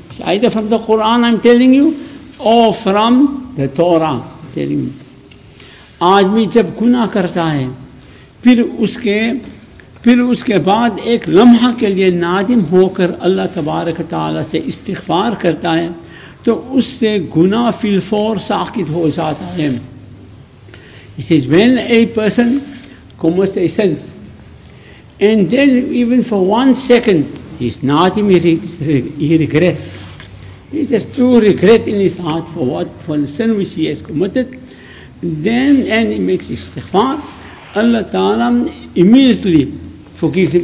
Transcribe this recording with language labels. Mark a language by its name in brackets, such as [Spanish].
[English] Either from the Quran I'm telling you or from the Torah telling you. [Urdu] آدمی جب گناہ کرتا ہے پھر اس کے بعد ایک لمحہ کے لیے نادم ہو کر اللہ تبارک تعالیٰ سے استغفار کرتا ہے تو اس سے گناہ فی الفور ساقط ہو جاتا ہے. [English] It says when a person commits a sin and then even for one second he's nadim, he regrets. He just too regret in his heart for what, for the sin which he has committed. Then, and he makes istighfar, Allah Ta'ala immediately forgives him.